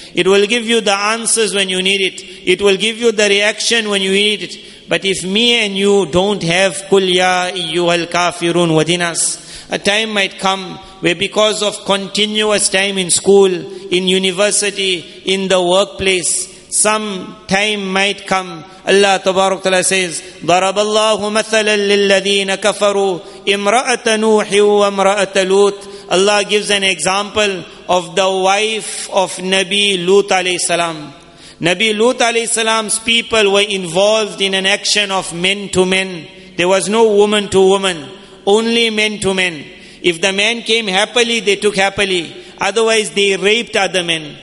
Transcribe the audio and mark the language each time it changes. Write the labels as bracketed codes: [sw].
[en] It will give you the answers when you need it. It will give you the reaction when you need it. But if me and you don't have Qul ya ayyuhal kafirun within us, a time might come where because of continuous time in school, in university, in the workplace, some time might come. Allah Tabarak Ta'ala says, [ar] ضَرَبَ اللَّهُ مَثَلًا لِلَّذِينَ كَفَرُوا إِمْرَأَةَ نُوحٍ وَإِمْرَأَةَ لُوتٍ. [en] Allah gives an example of the wife of Nabi Lut alayhi salam. Nabi Lut alayhi salam's people were involved in an action of men to men. There was no woman to woman, only men to men. If the man came happily, they took happily. Otherwise, they raped other men.